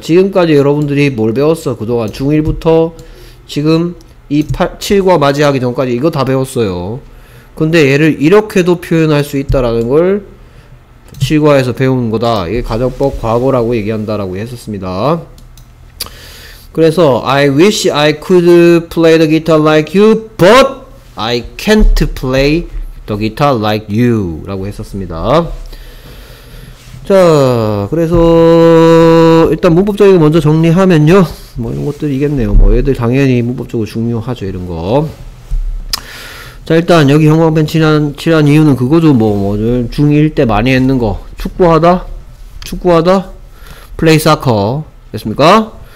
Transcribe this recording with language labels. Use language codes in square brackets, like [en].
[ko] 지금까지 여러분들이 뭘 배웠어? 그동안 중1부터 지금 이 7과 맞이하기 전까지 이거 다 배웠어요. 근데 얘를 이렇게도 표현할 수 있다라는 걸 실과에서 배운 거다. 이게 가정법 과거라고 얘기한다라고 했었습니다. 그래서 [en] I wish I could play the guitar like you but I can't play the guitar like you [ko] 라고 했었습니다. 자 그래서 일단 문법적인 거 먼저 정리하면요 뭐 이런 것들이겠네요. 뭐 얘들 당연히 문법적으로 중요하죠. 이런 거 자 일단 여기 형광펜 칠한 이유는 그거죠. 뭐 중1 때 많이 했는 거 축구하다 플레이 사커 됐습니까?